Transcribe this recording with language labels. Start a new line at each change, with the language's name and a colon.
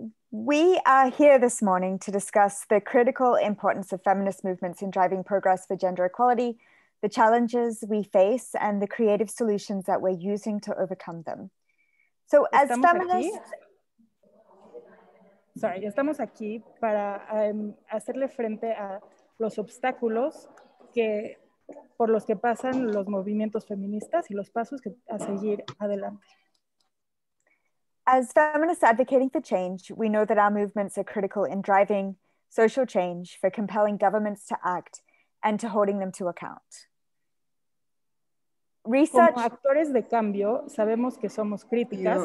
English: We are here this morning to discuss the critical importance of feminist movements in driving progress for gender equality, the challenges we face and the creative solutions that we're using to overcome them. So as feminists. Sorry,
Spanish: estamos aquí para hacerle frente a los obstáculos que por los que pasan los movimientos feministas y los pasos que a seguir adelante.
English: As feminists advocating for change, we know that our movements are critical in driving social change, for compelling governments to act and to holding them to account. Research.
Spanish: Como actores de cambio, sabemos que somos críticas